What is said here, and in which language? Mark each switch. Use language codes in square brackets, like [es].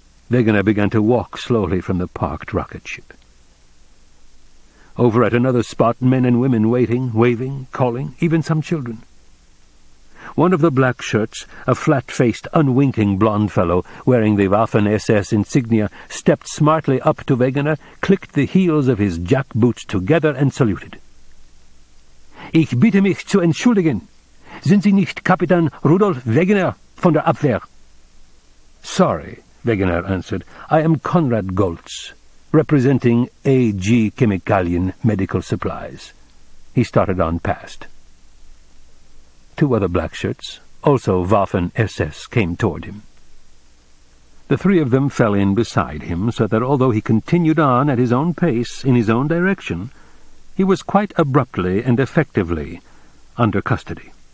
[en] Wegener began to walk slowly from the parked rocket ship. Over at another spot, men and women waiting, waving, calling, even some children. One of the black shirts, a flat-faced, unwinking blonde fellow, wearing the Waffen-SS insignia, stepped smartly up to Wegener, clicked the heels of his jackboots together, and saluted. [de] Ich bitte mich zu entschuldigen. Sind Sie nicht Kapitän Rudolf Wegener von der Abwehr? [en] Sorry, Wegener answered. I am Konrad Goltz, representing AG Chemikalien Medical Supplies. He started on past. Two other black shirts, Also Waffen SS came toward him. The three of them fell in beside him, so that although he continued on at his own pace, in his own direction, he was quite abruptly and effectively under custody.